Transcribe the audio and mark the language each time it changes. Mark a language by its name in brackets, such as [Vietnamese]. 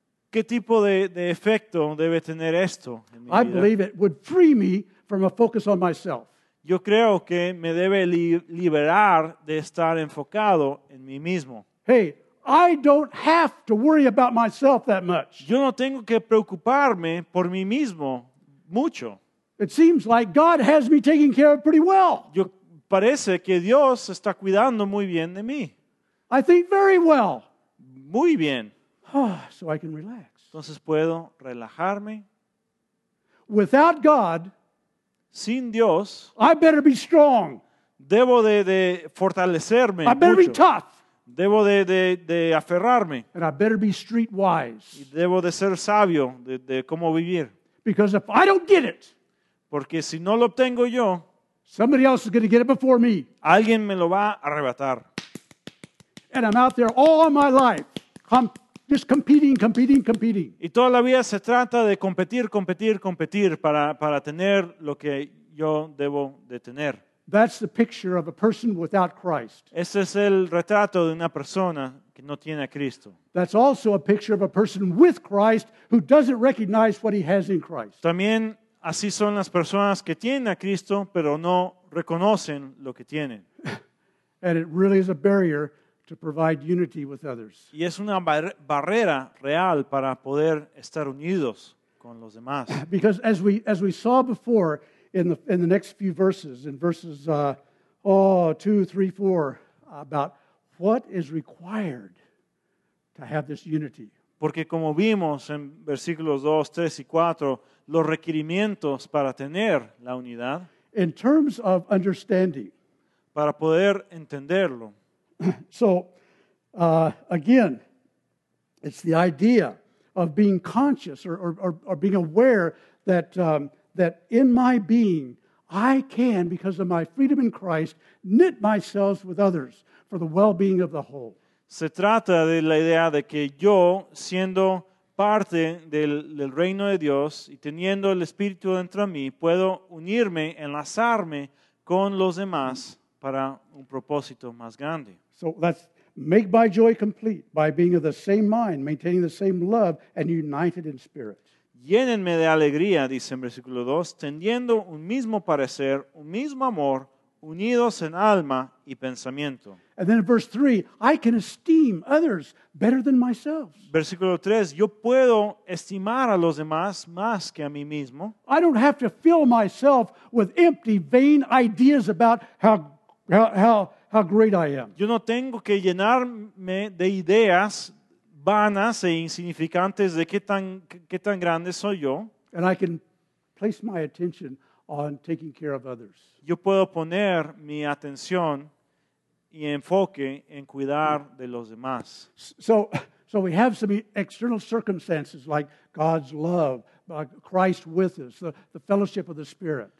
[Spanish] ¿Qué tipo de efecto debe tener esto en mi vida? [English] I believe it would free me from a focus on myself. [Spanish] Yo creo que me debe liberar de estar enfocado en mí mismo. [English] Hey, I don't have to worry about myself that much. [Spanish] Yo no tengo que preocuparme por mí mismo mucho. [English] It seems like God has me taken care of pretty well. [Spanish] Yo parece que Dios está cuidando muy bien de mí. [English] I think very well. [Spanish] Muy bien. [English] Oh, so I can relax. [Spanish] Entonces puedo relajarme. [English] Without God, [Spanish] sin Dios, [English] I better be strong. [Spanish] Debo de fortalecerme. [English] I better [Spanish] mucho. [English] Be tough. [Spanish] Debo de aferrarme. [English] And I better be street wise. [Spanish] Y debo de ser sabio de cómo vivir. [English] Because if I don't get it, [Spanish] porque si no lo obtengo yo, [English] somebody else is going to get it before me. [Spanish] Alguien me lo va a arrebatar. [English] And I'm out there all my life, just competing, competing, competing. [Spanish] Y toda la vida se trata de competir, competir, competir para tener lo que yo debo de tener. [English] That's the picture of a person without Christ. [Spanish] Ese es el retrato de una persona que no tiene a Cristo. [English] That's also a picture of a person with Christ who doesn't recognize what he has in Christ. [Spanish] También así son las personas que tienen a Cristo, pero no reconocen lo que tienen. [English] And it really is a barrier to provide unity with others. [Spanish] Y es una barrera real para poder estar unidos con los demás. [English] Because as we saw before, in the next few verses, in verses 2, 3, 4, about what is required to have this unity. [Spanish] Porque como vimos en versículos 2, 3 y 4, los requerimientos para tener la unidad. [English] In terms of understanding. [Spanish] Para poder entenderlo. [English] So, again, it's the idea of being conscious or being aware that that in my being, I can, because of my freedom in Christ, knit myself with others for the well-being of the whole. [Spanish] Se trata de la idea de que yo, siendo parte del reino de Dios y teniendo el Espíritu dentro de mí, puedo unirme, enlazarme con los demás para un propósito más grande. [English] So let's make my joy complete by being of the same mind, maintaining the same love, and united in spirit. [Spanish] Llénenme de alegría, dice en versículo 2, teniendo un mismo parecer, un mismo amor, unidos en alma y pensamiento. [English] And then in verse 3, I can esteem others better than myself. [Spanish] Versículo 3, yo puedo estimar a los demás más que a mí mismo. [English] I don't have to fill myself with empty, vain ideas about how great I am. [Spanish] Yo no tengo que llenarme de ideas vanas e insignificantes de qué tan grande soy yo. [English] And I can place my attention on taking care of others. [Spanish] Yo puedo poner mi atención y enfoque en cuidar de los demás. [English] So we have some external circumstances like God's love, Christ with us, the fellowship of the Spirit.